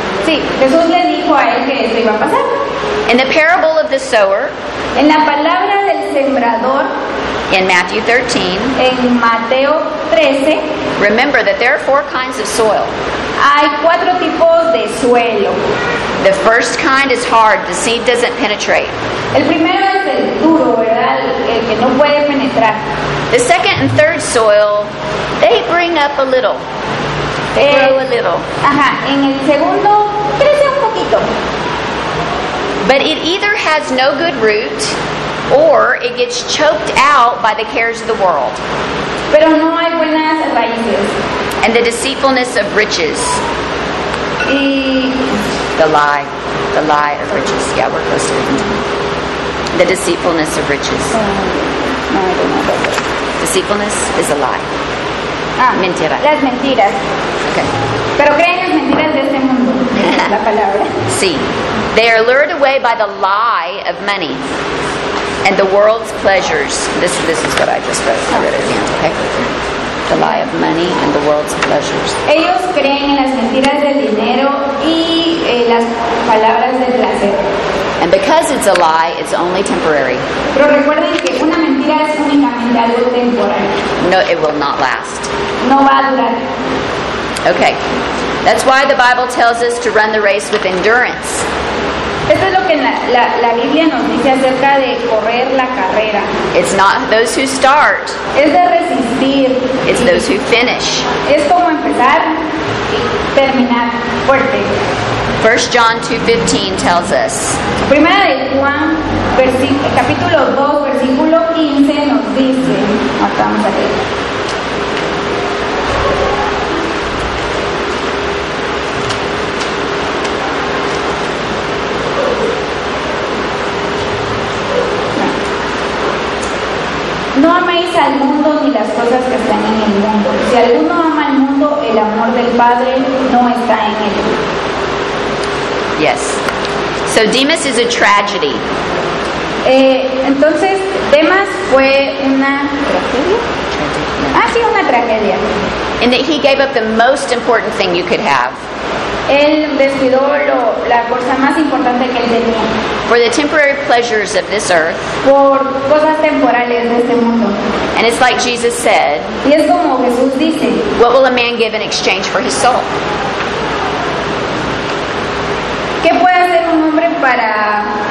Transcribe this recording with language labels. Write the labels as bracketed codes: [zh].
[es] Sí, Jesús le dijo a él que esto iba a pasar. [en] In the parable of the sower, [es] en la palabra del sembrador, [en] in Matthew 13, [es] en Mateo 13, [en] remember that there are four kinds of soil. [es] Hay cuatro tipos de suelo. [en] The first kind is hard, the seed doesn't penetrate. [es] El primero es el duro, ¿verdad? El que no puede penetrar. [en] The second and third soil, they bring up a little. They grow a little. [es] Ajá, en el segundo crece un poquito. [en] But it either has no good root, or it gets choked out by the cares of the world. [es] Pero no hay buenas raíces. [en] And the deceitfulness of riches. [es] Y [en] The lie of riches. Yeah, we're close to it. The deceitfulness of riches. No, I don't know about that. Deceitfulness is a lie. [es] Ah, mentira. Las mentiras. Okay. Pero creen las mentiras de este mundo. La palabra. Sí. [en] They are lured away by the lie of money and the world's pleasures. This is what I just wrote. I read it again, okay? The lie of money and the world's pleasures. [es] Ellos creen en las mentiras del dinero y las palabras del placer. [en] And because it's a lie, it's only temporary. [es] Pero recuerden que una mentira es únicamente algo temporal. [en] No, it will not last. [es] No va a durar. [en] Okay. That's why the Bible tells us to run the race with endurance. [es] Esto es lo que la Biblia nos dice acerca de correr la carrera. [en] It's not those who start. [es] Es de resistir. [en] It's those who finish. [es] Es como empezar y terminar fuerte. [en] 1 John 2:15 tells us. [es] Primera de Juan, capítulo 2, versículo 15 nos dice. Vamos a leer. No améis al mundo ni las cosas que están en el mundo. Si alguno ama al mundo, el amor del Padre no está en él. [en] Yes. So Demas is a tragedy. [es] Entonces, Demas fue una tragedia. Ah, sí, una tragedia. [en] In that he gave up the most important thing you could have. [es] Él despidió la cosa más importante que él tenía. [en] For the temporary pleasures of this earth. [es] Por cosas temporales de este mundo. [en] And it's like Jesus said. [es] Y es como Jesús dice. [en] What will a man give in exchange for his soul? [es] ¿Qué puede hacer un hombre para